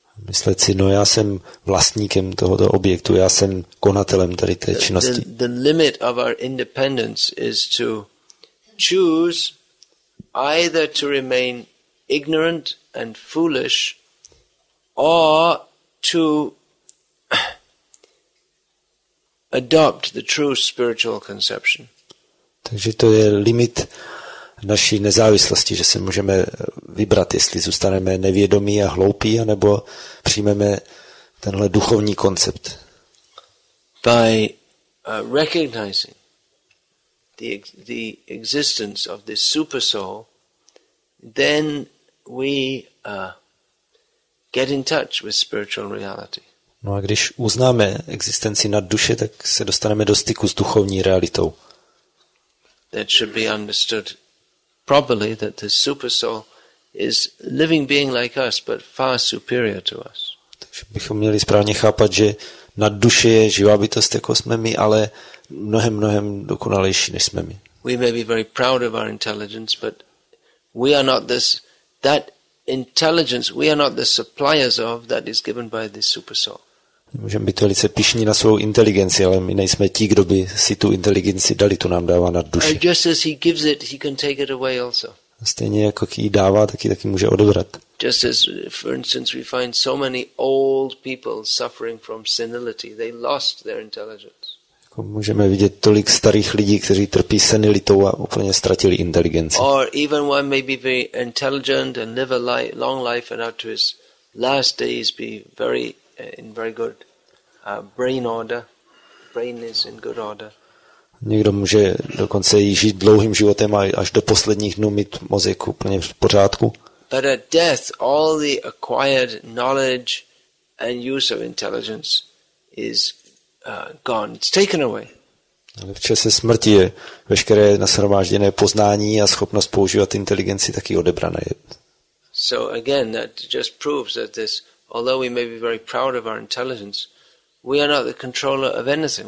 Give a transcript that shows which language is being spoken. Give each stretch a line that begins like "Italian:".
Czech: Myslet si, no já jsem vlastníkem tohoto objektu, já jsem konatelem tady té činnosti.
English: The limit of our independence is to choose either to remain ignorant and foolish or to adopt the true spiritual conception.
Czech: Takže to je limit naší nezávislosti, že se můžeme vybrat, jestli zůstaneme nevědomí a hloupí, anebo přijmeme tenhle duchovní koncept.
English: By recognizing the existence of this super soul, then we get in touch with spiritual reality.
Czech: No a když uznáme existenci nad duše, tak se dostaneme do styku s duchovní realitou.
English: That should be understood properly, that the super soul is living being like us, but far superior to us.
Czech: Takže bychom měli správně chápat, že nad duše je živá bytost jako jsme my, ale mnohem dokonalejší než jsme my.
English: We may be very proud of our intelligence, but we are not this that intelligence, we are not the suppliers of that is given by this super soul.
Czech: Můžeme být velice pyšní na svou inteligenci, ale my nejsme ti, kdo by si tu inteligenci dali, tu nám dává nad duši.
English: Just as he gives it, he can take it away also.
Czech: Stejně jako ji dává, taky může odebrat.
English: Just as, for instance, we find so many old people suffering from senility. They lost their intelligence.
Czech: Jako můžeme vidět tolik starých lidí, kteří trpí senilitou a úplně ztratili inteligenci.
English: Or even one may be very intelligent and live a long life and out to his last days be very in very good brain order. Brain is in good order.
Czech: Někdo může dokonce žít dlouhým životem a až do posledních dnů mít mozek úplně v pořádku.
English: But at death, all the acquired knowledge and use of intelligence is gone. It's taken away.
Czech: Ale v čase smrti je veškeré nashromážděné poznání a schopnost používat inteligenci taky odebrané.
English: So again, that just proves that this, although we may be very proud of our intelligence, we are not the controller of anything.